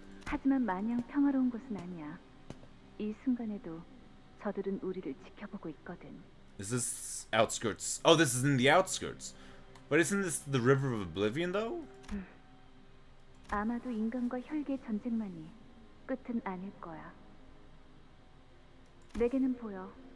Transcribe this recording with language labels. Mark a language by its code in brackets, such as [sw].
[ko] 하지만 마냥 평화로운 것은 아니야. 이 순간에도 저들은 우리를 지켜보고 있거든. [en] Is this outskirts? Oh, this is in the outskirts. But isn't this the River of Oblivion though? [ko] 아마도 인간과 혈계 전쟁만이 끝은 아닐 거야. 내게는 보여.